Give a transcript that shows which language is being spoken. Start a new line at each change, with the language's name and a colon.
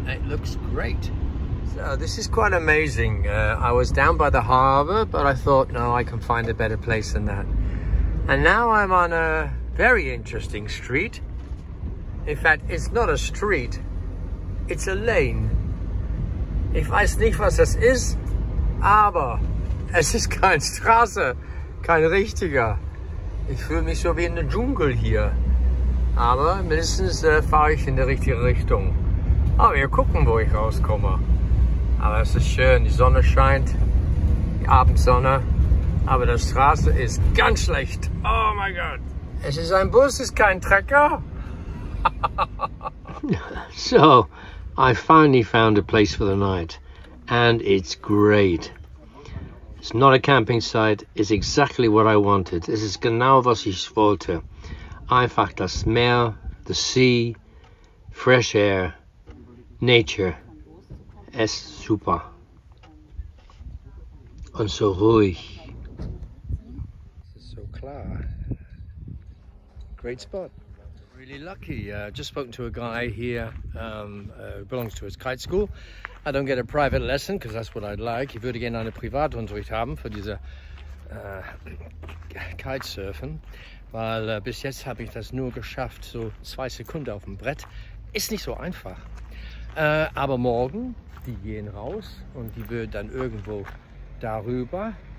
English: It looks great. So this is quite amazing. I was down by the harbour, but I thought, no, I can find a better place than that. And now I'm on a very interesting street. In fact, it's not a street, it's a lane.
German: Ich weiß nicht, was das ist, aber es ist keine Straße, kein richtiger. Ich fühle mich so wie in der Dschungel hier. Aber mindestens fahre ich in die richtige Richtung. Aber wir gucken, wo ich rauskomme. Aber es ist schön, die Sonne scheint, die Abendsonne. Aber die Straße ist ganz schlecht. Oh mein Gott. Es ist ein Bus, es ist kein Trecker.
English: So, I finally found a place for the night. And it's great. It's not a camping site. It's exactly what I wanted. This is
German: genau was ich wollte. Einfach das Meer,
English: the sea, fresh air, nature.
German: Es ist super. Und so ruhig. So klar.
English: Great spot. Really lucky. Just spoken to a guy here who belongs to his kite school. I don't get a private lesson because that's what I'd like.
German: Ich würde gerne eine Privatunterricht haben für diese Kitesurfen, weil bis jetzt habe ich das nur geschafft, so 2 Sekunden auf dem Brett. Ist nicht so einfach. Aber morgen, die gehen raus und die wird dann irgendwo darüber.